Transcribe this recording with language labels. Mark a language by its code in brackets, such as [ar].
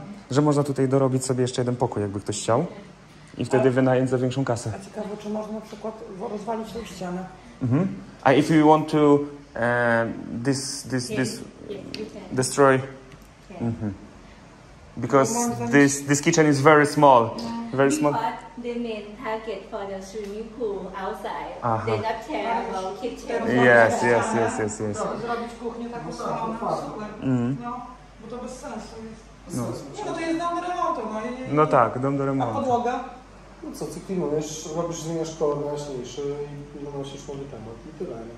[pl] Że można tutaj dorobić sobie jeszcze jeden pokój, jakby ktoś chciał. I wtedy wynająć za większą kasę. A ciekawe, czy można na przykład rozwalić tą ścianę. Mhm. [en] A if you want to this destroy. Mhm. Because this kitchen is very small. Yeah. Very small. But the main target for the swimming pool outside. Aha. They not care about kitchen. Yes. [pl] Zrobić kuchnię taką samą, no, bo to bez sensu. No. No to jest dom do remontu, no. No tak, dom do remontu. A podłoga? No co, ty klimujesz, robisz, zmieniasz kolor na jaśniejszy i wynosisz nowy temat i tyle.